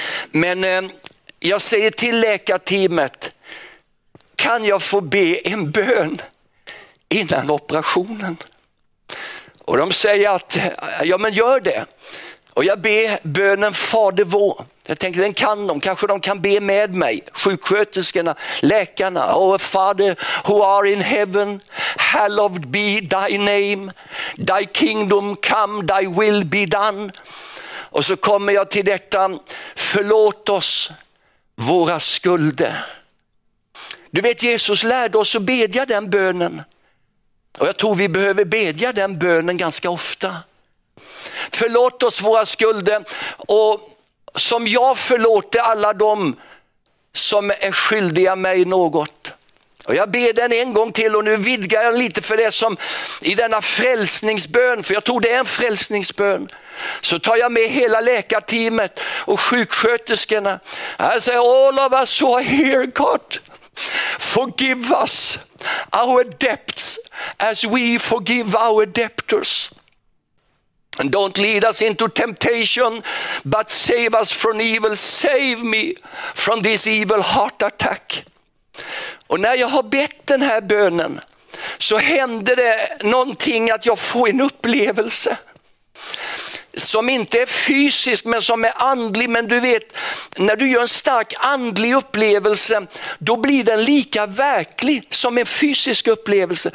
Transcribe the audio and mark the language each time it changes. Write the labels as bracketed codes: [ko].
[sv] Men jag säger till läkarteamet, kan jag få be en bön innan operationen? Och de säger att, ja men gör det. Och jag ber bönen Fader vår. Jag tänker, den kan de. Kanske de kan be med mig. Sjuksköterskorna, läkarna. [en] Oh, Father who are in heaven, hallowed be thy name. Thy kingdom come, thy will be done. [sv] Och så kommer jag till detta. Förlåt oss våra skulder. Du vet, Jesus lärde oss att bedja den bönen. Och jag tror vi behöver bedja den bönen ganska ofta. Förlåt oss våra skulder. Och som jag förlåter alla dem som är skyldiga mig något. Och jag ber den en gång till, och nu vidgar jag lite för det som i denna frälsningsbön. För jag tror det är en frälsningsbön. Så tar jag med hela läkarteamet och sjuksköterskorna. Jag säger, [en] all of us who are here, God, forgive us our debts as we forgive our debtors. And don't lead us into temptation, but save us from evil. Save me from this evil heart attack. [sv] Och när jag har bett den här bönen så händer det någonting, att jag får en upplevelse som inte är fysisk men som är andlig. Men du vet, när du gör en stark andlig upplevelse, då blir den lika verklig som en fysisk upplevelse.